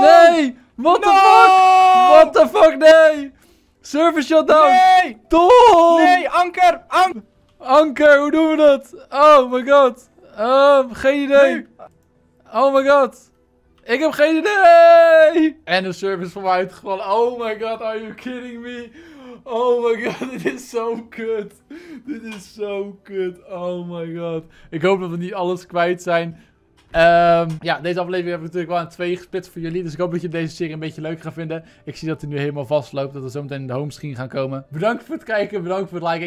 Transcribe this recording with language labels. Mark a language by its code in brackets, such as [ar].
[en] Nee! What the fuck? What the fuck? Nee! Server shutdown! [nl] Nee! Tom! Nee! Anker! Anker! Hoe doen we dat? [en] Oh my god! [nl] Geen idee! Nee. Oh my god! Ik heb geen idee! En de server is voor mij uitgevallen. [en] Oh my god, are you kidding me? Oh my god, [nl] dit is zo kut. Dit is zo kut. [en] Oh my god. [nl] Ik hoop dat we niet alles kwijt zijn. Ja, deze aflevering heb ik natuurlijk wel aan twee gespitst voor jullie. Dus ik hoop dat je deze serie een beetje leuk gaat vinden. Ik zie dat hij nu helemaal vastloopt. Dat we zometeen in de homescreen gaan komen. Bedankt voor het kijken. Bedankt voor het liken.